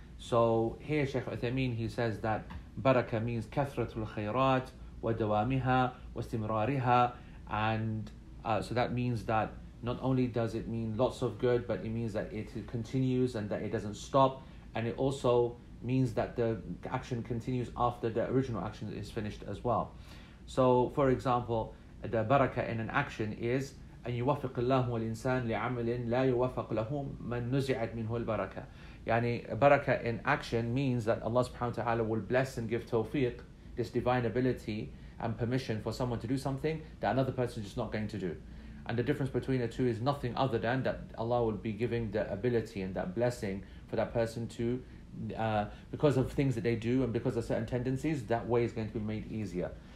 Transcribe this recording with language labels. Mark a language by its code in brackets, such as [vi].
[en] So here Sheikh Uthaymeen, he says that Baraka means kathratul khayrat wa dawamiha wa istimrariha, and so that means that not only does it mean lots of good, but it means that it continues and that it doesn't stop, and it also means that the action continues after the original action is finished as well. So for example, the barakah in an action is [ar] أن يوفق الله الإنسان لعمل لا يوفق له من نزعت منه البركة. [en] Yani barakah in action means that Allah subhanahu wa ta'ala will bless and give tawfiq this divine ability and permission for someone to do something that another person is just not going to do. And the difference between the two is nothing other than that Allah will be giving the ability and that blessing for that person to, because of things that they do and because of certain tendencies, that way is going to be made easier.